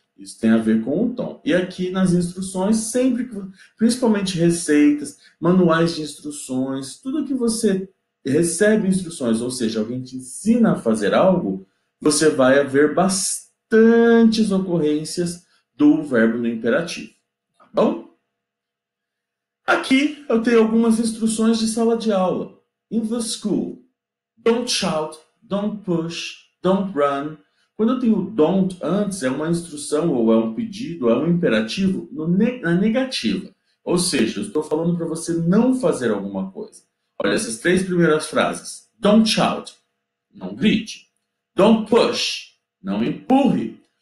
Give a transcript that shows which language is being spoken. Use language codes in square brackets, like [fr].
[pt] Isso tem a ver com o tom. E aqui nas instruções, sempre que, principalmente receitas, manuais de instruções, tudo que você recebe instruções, ou seja, alguém te ensina a fazer algo, você vai haver bastantes ocorrências do verbo no imperativo. Tá bom? Aqui eu tenho algumas instruções de sala de aula. [en] In the school, don't shout. Don't push, don't run. [pt] Quando eu tenho don't antes, é uma instrução ou é um pedido, é um imperativo no ne na negativa. Ou seja, eu estou falando para você não fazer alguma coisa. Olha essas três primeiras frases. [en] Don't shout, [pt] não grite. [en] Don't push, [pt] não empurre.